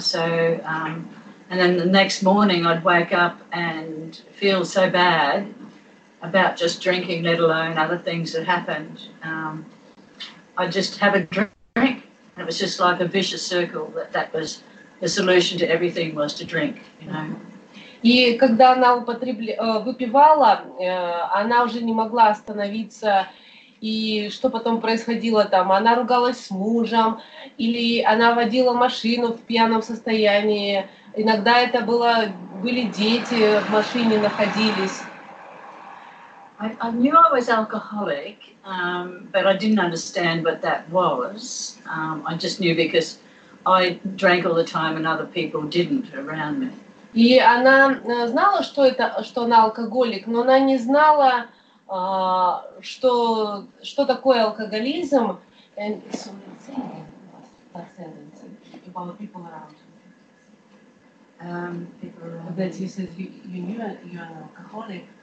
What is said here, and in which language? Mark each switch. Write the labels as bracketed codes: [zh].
[en] So and then the next morning, I'd wake up and feel so bad about just drinking, let alone other things that happened. I just have a drink. It was just like a vicious circle that was the solution to everything was to drink, you know. [ru] И когда она выпивала, она уже не могла остановиться. И что потом происходило там? Она ругалась с мужем, или она водила машину в пьяном состоянии. Иногда это были дети в машине находились. [en] I knew I was alcoholic, but I didn't understand what that was. I just knew because I drank all the time and other people didn't around me. [ru] И она знала, что это, что она алкоголик, но она не знала, что такое алкоголизм. [en] And so many things about the people around her. People around that you said you knew you're an alcoholic,